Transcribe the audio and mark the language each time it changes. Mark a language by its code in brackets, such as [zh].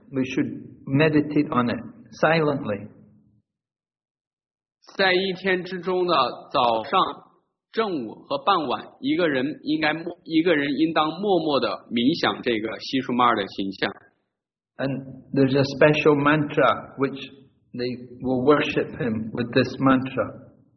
[en] We should meditate on it silently. [zh] 在一天之中的早上、正午和傍晚，一个人应当默默地冥想这个西舒玛尔的形象。 [en] And there's a special mantra which they will worship him with this mantra.